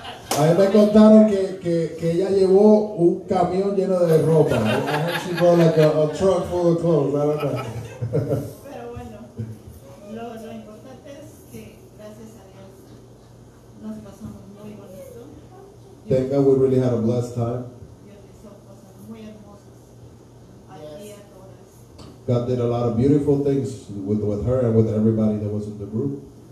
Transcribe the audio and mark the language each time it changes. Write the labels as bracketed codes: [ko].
[es] Ahí me contaron que ella llevó un camión lleno de ropa. [en] I heard she brought like a truck full of clothes. I don't know. [es] Pero bueno, lo importante es que gracias a Dios nos pasamos muy bonito. [en] Thank God we really had a blessed time. [es] Dios hizo cosas muy hermosas. Yes. Allí a todas. [en] God did a lot of beautiful things with her and with everybody that was in the group.